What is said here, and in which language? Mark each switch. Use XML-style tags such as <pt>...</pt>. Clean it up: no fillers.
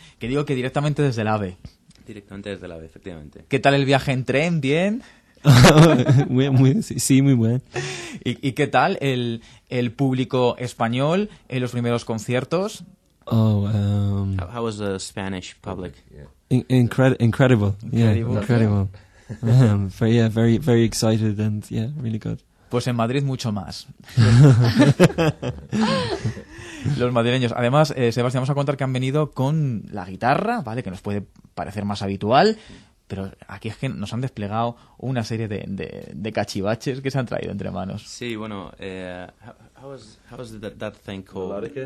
<es>Que digo que directamente desde el AVE. Directamente desde el AVE, efectivamente. ¿Qué tal el viaje en tren? ¿Bien? muy bueno. ¿Y qué tal el público español en los primeros conciertos?</es> <en>How was the Spanish public? Incredible. But yeah, very, very excited and yeah, really good.</en> <es>Pues en Madrid mucho más. Los madrileños. Además, Sebastián, vamos a contar que han venido con la guitarra, ¿vale? Que nos puede parecer más habitual. Pero aquí es que nos han desplegado una serie de cachivaches que se han traído entre manos. Sí, bueno,</es> <en>how was that thing called?</en>